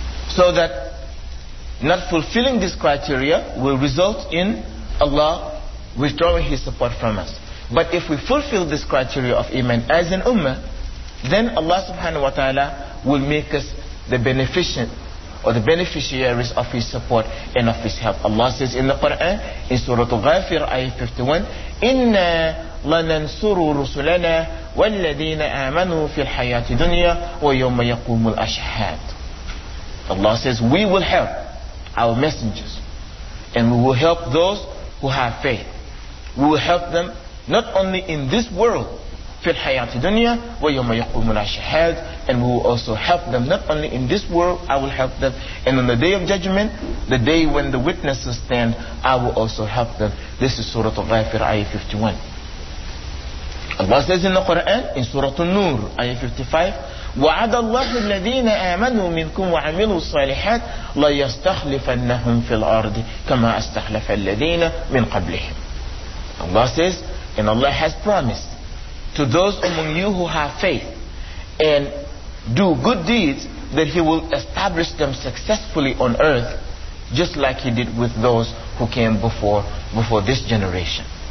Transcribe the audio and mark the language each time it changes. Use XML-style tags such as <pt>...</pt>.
<en>So that not fulfilling this criteria will result in Allah withdrawing His support from us. But if we fulfill this criteria of Iman as an ummah, then Allah subhanahu wa ta'ala will make us the beneficent, or the beneficiaries of His support and of His help. Allah says in the Quran, in Surah Al-Ghafir, Ayah 51,</en> <ar>إِنَّا لَنَنْصُرُوا رُسُلَنَا وَالَّذِينَ آمَنُوا فِي الْحَيَاةِ دُنْيَا وَيَوْمَ يَقُومُ الْأَشْهَادِ.</ar> <en>Allah says, we will help our messengers, and we will help those who have faith. We will help them not only in this world,</en> <ar>فِي الْحَيَاةِ دُنْيَا وَيَوْمَ يَقُومُ الْأَشْهَادِ,</ar> <en>and we will also help them not only in this world, I will help them, and on the day of judgment, the day when the witnesses stand, I will also help them. This is Surah Al-Ghafir, Ayah 51. Allah says in the Quran, in Surah An-Nur, Ayah 55,</en> <ar>وعد الله الذين آمنوا منكم وعملوا الصالحات ليستخلفنهم في الأرض كما استخلف الذين من قبلهم.</ar> <en>Allah says, and Allah has promised to those among you who have faith and do good deeds that He will establish them successfully on earth just like He did with those who came before this generation.</en>